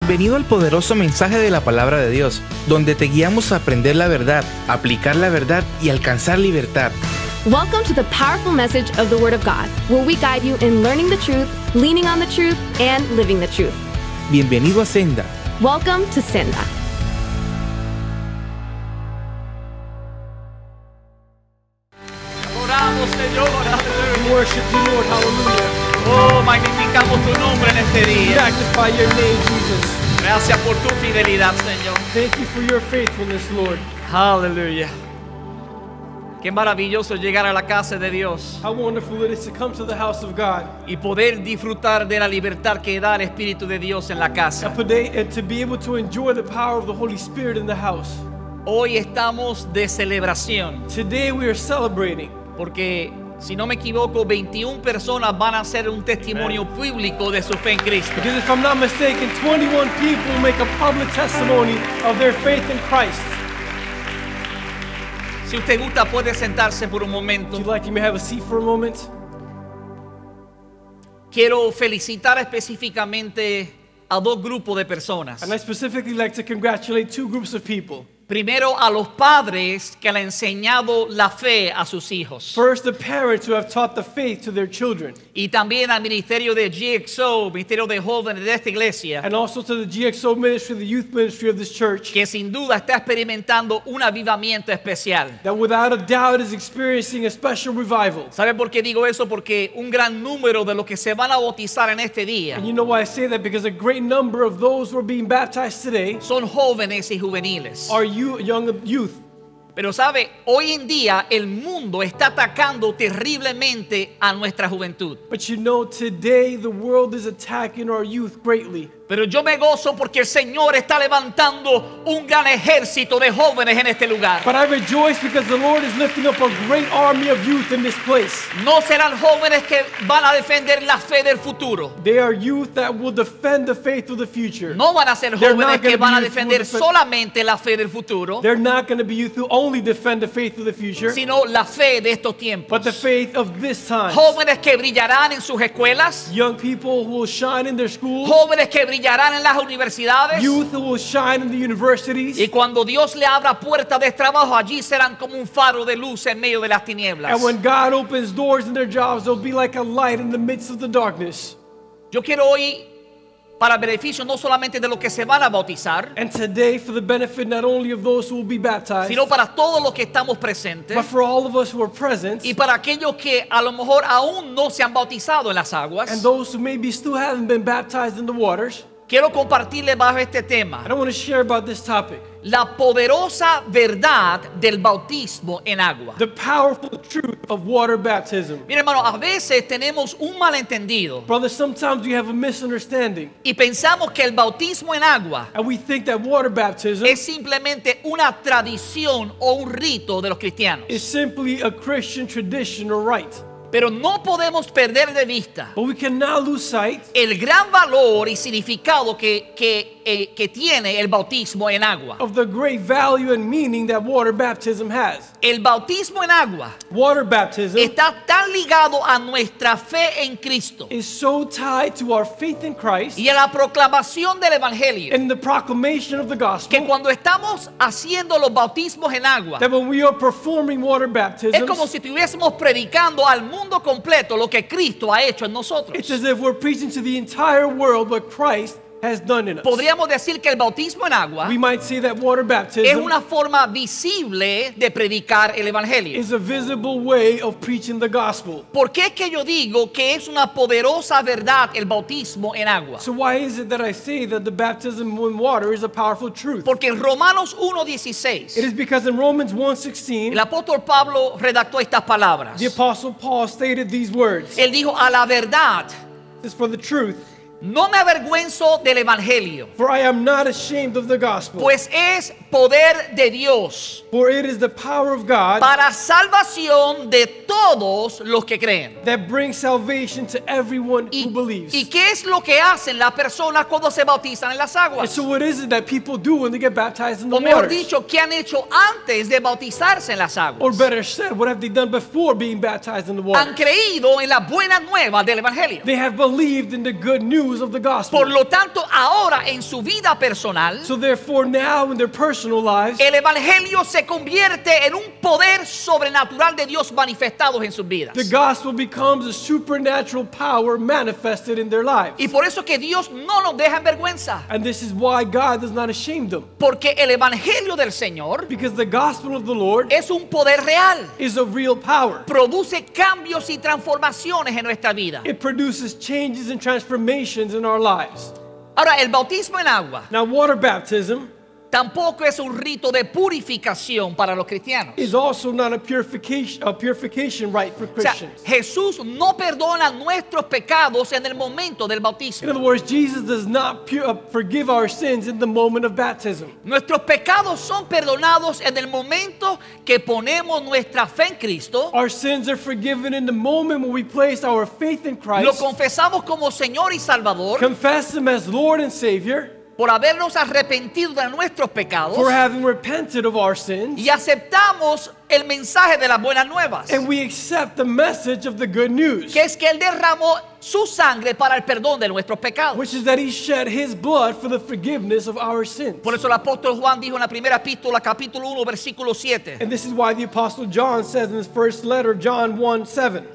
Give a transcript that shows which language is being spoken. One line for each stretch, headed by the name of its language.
Spanish: Bienvenido al poderoso mensaje de la palabra de Dios, donde te guiamos a aprender la verdad, aplicar la verdad y alcanzar libertad.
English: Welcome to the powerful message of the Word of God, where we guide you in learning the truth, leaning on the truth, and living the truth.
Spanish: Bienvenido a Senda.
English: Welcome to Senda.
Spanish: Oramos, Señor.
English: We worship you, Lord. Hallelujah.
Spanish: Oh, magnificamos tu nombre en este día.
English: Magnify your name, Jesus.
Spanish: Gracias por tu fidelidad, Señor.
English: Thank you for your faithfulness, Lord. Hallelujah.
Spanish: Qué maravilloso llegar a la casa de Dios.
English: How wonderful it is to come to the house of God.
Spanish: Y poder disfrutar de la libertad que da el Espíritu de Dios en la casa.
English: And to be able to enjoy the power of the Holy Spirit in the house.
Spanish: Hoy estamos de celebración.
English: Today we are celebrating.
Spanish: Porque si no me equivoco, 21 personas van a hacer un testimonio público de su fe en Cristo.
English: Because if I'm not mistaken, 21 people make a public testimony of their faith in Christ.
Spanish: Si usted gusta, puede sentarse por un momento.
English: If you'd like, you may have a seat for a moment.
Spanish: Quiero felicitar específicamente a dos grupos de personas.
English: And I specifically like to congratulate two groups of people.
Spanish: Primero a los padres que le han enseñado la fe a sus hijos.
English: First, the parents who have taught the faith to their children.
Spanish: Y también al ministerio de GXO, ministerio de jóvenes de esta iglesia.
English: And also to the GXO ministry, the youth ministry of this church.
Spanish: Que sin duda está experimentando un avivamiento especial.
English: That without a doubt is experiencing a special revival.
Spanish: ¿Sabe por qué digo eso? Porque un gran número de los que se van a bautizar en este día.
English: And you know why I say that? Because a great number of those who are being baptized today.
Spanish: Son jóvenes y juveniles.
English: Young youth.
Spanish: Pero sabe, hoy en día el mundo está atacando terriblemente a nuestra juventud.
English: But you know, today the world is attacking our youth greatly.
Spanish: Pero yo me gozo porque el Señor está levantando un gran ejército de jóvenes en este lugar.
English: But I rejoice because the Lord is lifting up a great army of youth in this place.
Spanish: No serán jóvenes que van a defender la fe del futuro.
English: They are youth that will defend the faith of the future.
Spanish: No van a ser jóvenes que van a defender solamente la fe del futuro.
English: They're not going to be youth who only defend the faith of the future.
Spanish: Sino la fe de estos tiempos.
English: But the faith of this time.
Spanish: Jóvenes que brillarán en sus escuelas.
English: Young people who will shine in their schools.
Spanish: Jóvenes que brillarán en las universidades.
English: Youth will shine in the universities.
Spanish: Y cuando Dios le abra puertas de trabajo, allí serán como un faro de luz en medio de las tinieblas.
English: And when God opens doors in their jobs, they'll be like a light in the midst of the darkness.
Spanish: Yo quiero hoy, para beneficio no solamente de los que se van a bautizar,
English: and today for the benefit not only of those who will be baptized,
Spanish: sino para todos los que estamos presentes,
English: but for all of us who are present,
Spanish: y para aquellos que a lo mejor aún no se han bautizado en las aguas,
English: and those who maybe still haven't been baptized in the waters,
Spanish: quiero compartirle bajo este tema.
English: I don't want to share about this topic.
Spanish: La poderosa verdad del bautismo en agua.
English: The powerful truth of water baptism.
Spanish: Mira, hermano, a veces tenemos un malentendido.
English: Brother, sometimes we have a misunderstanding.
Spanish: Y pensamos que el bautismo en agua.
English: And we think that water baptism.
Spanish: Es simplemente una tradición o un rito de los cristianos.
English: Is simply a Christian tradition or rite.
Spanish: Pero no podemos perder de vista.
English: But we cannot lose sight.
Spanish: El gran valor y significado que tiene el bautismo en agua.
English: Of the great value and meaning that water baptism has.
Spanish: El bautismo en agua.
English: Water baptism.
Spanish: Está tan ligado a nuestra fe en Cristo.
English: Is so tied to our faith in Christ.
Spanish: Y a la proclamación del evangelio.
English: And the proclamation of the gospel.
Spanish: Que cuando estamos haciendo los bautismos en agua.
English: That when we are performing water baptisms.
Spanish: Es como si estuviésemos predicando al mundo completo lo que Cristo ha hecho en nosotros.
English: It's as if we're preaching to the entire world what Christ has done in us.
Spanish: Podríamos decir que el bautismo en agua,
English: we might say that water baptism,
Spanish: es una forma visible de predicar el evangelio.
English: Is a visible way of preaching the gospel.
Spanish: ¿Por qué es que yo digo que es una poderosa verdad el bautismo en agua?
English: So why is it that I say that the baptism in water is a powerful truth?
Spanish: Porque en Romanos 1:16,
English: it is because in Romans 1:16,
Spanish: el apóstol Pablo redactó estas palabras.
English: The apostle Paul stated these words.
Spanish: Él dijo a la verdad.
English: It's for the truth.
Spanish: No me avergüenzo del evangelio.
English: For I am not ashamed of the gospel.
Spanish: Pues es poder de Dios.
English: For it is the power of God.
Spanish: Para salvación de todos los que creen.
English: That brings salvation to everyone who believes.
Spanish: ¿Y qué es lo que hacen las personas cuando se bautizan en las aguas?
English: And so what is it that people do when they get baptized in the
Spanish: waters? O mejor dicho, ¿qué han hecho antes de bautizarse en las aguas?
English: Or better said, what have they done before being baptized in the waters?
Spanish: Han creído en la buena nueva del evangelio.
English: They have believed in the good news. news of the gospel.
Spanish: Por lo tanto, ahora en su vida personal,
English: so therefore now in their personal lives,
Spanish: el evangelio se convierte en un poder sobrenatural de Dios manifestado en sus vidas.
English: The gospel becomes a supernatural power manifested in their lives.
Spanish: Y por eso que Dios no nos deja en vergüenza.
English: And this is why God does not ashame them.
Spanish: Porque el evangelio del Señor,
English: because the gospel of the Lord,
Spanish: es un poder real,
English: is a real power.
Spanish: Produce cambios y transformaciones en nuestra vida.
English: It produces changes and transformations in our lives.
Spanish: Ahora, el bautismo en agua,
English: now water baptism,
Spanish: tampoco es un rito de purificación para los cristianos.
English: Is also not a purification rite for Christians.
Spanish: O sea, Jesús no perdona nuestros pecados en el momento del bautismo.
English: In other words, Jesus does not forgive our sins in the moment of baptism.
Spanish: Nuestros pecados son perdonados en el momento que ponemos nuestra fe en Cristo.
English: Our sins are forgiven in the moment when we place our faith in Christ.
Spanish: Lo confesamos como Señor y Salvador.
English: Confess him as Lord and Savior.
Spanish: Por habernos arrepentido de nuestros pecados.
English: For having repented of our sins.
Spanish: Y aceptamos el mensaje de las buenas nuevas.
English: And we accept the message of the good news.
Spanish: Que es que Él derramó su sangre para el perdón de nuestros pecados.
English: Which is that He shed His blood for the forgiveness of our sins.
Spanish: Por eso el apóstol Juan dijo en la primera epístola, capítulo 1, versículo 7.
English: And this is why the apostle John says in his first letter, John 1, 7.